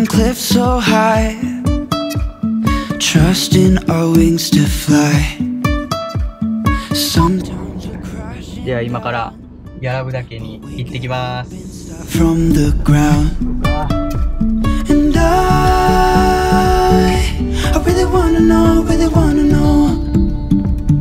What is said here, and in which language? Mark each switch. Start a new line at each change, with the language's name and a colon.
English: So high, trusting our wings to fly. Sometimes you crash.
Japanese: では、今から屋良部岳に行ってきます。
English: From the ground. And I really wanna know, really wanna know.